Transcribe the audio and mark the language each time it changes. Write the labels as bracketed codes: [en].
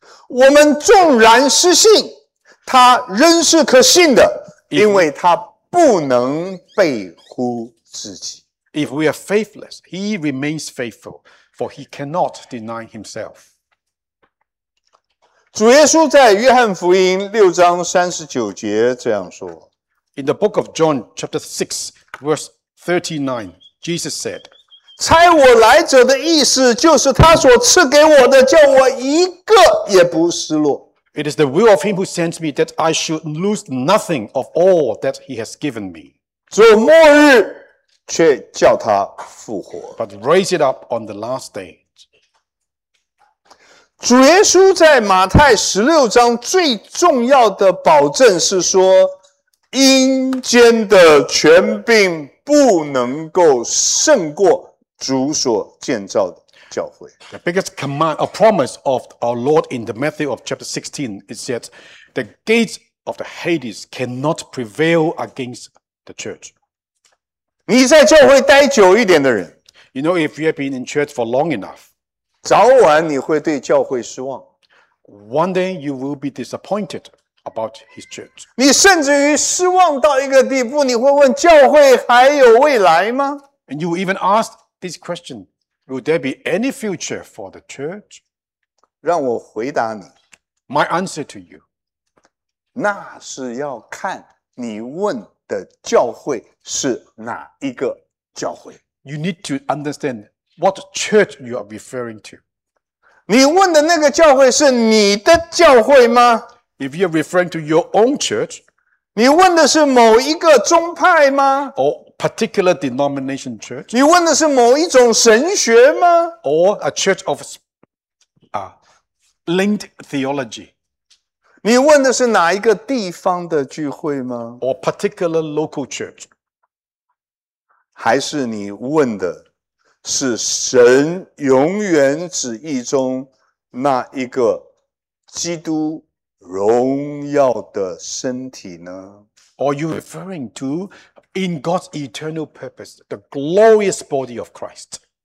[zh] 我们纵然失信，他仍是可信的，因为他不能背乎自己。 [en] If we are faithless, he remains faithful, for he cannot deny himself. [zh] 主耶稣在约翰福音六章三十九节这样说。 [en] In the book of John, chapter 6, verse 39, Jesus said, [zh] 差我来者的意思就是他所赐给我的，叫我一个也不失落。 [en] It is the will of him who sent me that I should lose nothing of all that he has given me. [zh] 主末日却叫他复活。 [en] But raise it up on the last day. [zh] 主耶稣在马太十六章最重要的保证是说，阴间的权柄不能够胜过主所建造的教会。 [en] The biggest command, a promise of our Lord in the Matthew of chapter 16, it says, the gates of the Hades cannot prevail against the church. [zh] 你在教会待久一点的人 [en] You know, if you have been in church for long enough, [zh] 早晚你会对教会失望 [en] One day you will be disappointed about his church. [zh] 你甚至于失望到一个地步，你会问教会还有未来吗？ [en] And you will even ask this question, will there be any future for the church? [zh] 让我回答你 [en] My answer to you, [zh] 那是要看你问的教会是哪一个教会 [en] ？You need to understand what church you are referring to. [zh] 你问的那个教会是你的教会吗？ [en] If you're referring to your own church, [zh] 你问的是某一个宗派吗？ [en] Or particular denomination church, [zh] 你问的是某一种神学吗？ [en] Or a church of linked theology, [zh] 你问的是哪一个地方的聚会吗？ [en] Or particular local church, [zh] 还是你问的是神永远旨意中那一个基督荣耀的身体呢？ [en] Are you referring to in God's eternal purpose the glorious body of Christ?